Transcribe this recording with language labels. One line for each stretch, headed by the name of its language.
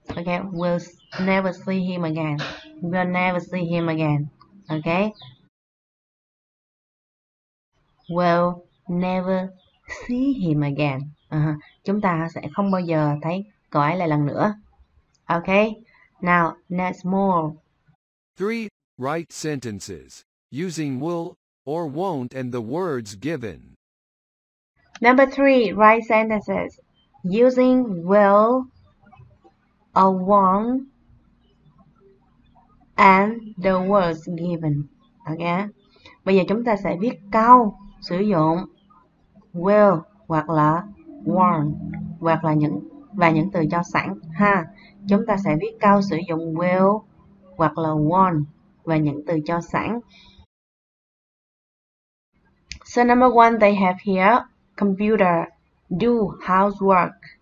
English: Ok, we'll never see him again. We'll never see him again. Ok, we'll never see him again.
Vietnamese: Chúng ta sẽ không bao giờ thấy cậu ấy lại lần nữa.
English: Ok, now next more. 3. Write sentences using will or won't and the words given. Number 3. Write sentences using will or won't and the words given.
Vietnamese: Ok, bây giờ chúng ta sẽ viết câu sử dụng will hoặc là won't hoặc là những và những từ cho sẵn ha. Chúng ta sẽ viết câu sử dụng will hoặc là won't và những từ cho sẵn.
English: So number one, they have here computer, do housework.